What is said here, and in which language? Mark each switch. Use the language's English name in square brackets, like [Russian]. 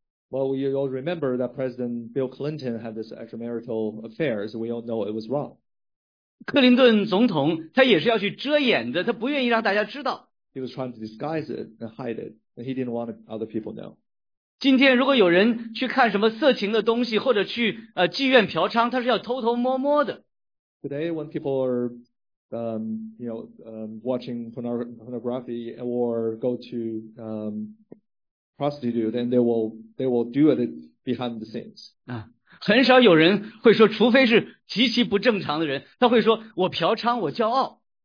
[English] Well, we all remember that President Bill Clinton had this extramarital affair, so we all know it was wrong. [Chinese] 克林顿总统他也是要去遮掩的，他不愿意让大家知道。 [English] He was trying to disguise it and hide it, and he didn't want other people to know. [Chinese] 今天如果有人去看什么色情的东西，或者去妓院嫖娼，他是要偷偷摸摸的。 [English] Today, when people are watching pornography or go to prostitute, then they will do it behind the scenes. [Chinese] 很少有人会说，除非是极其不正常的人，他会说我嫖娼，我骄傲。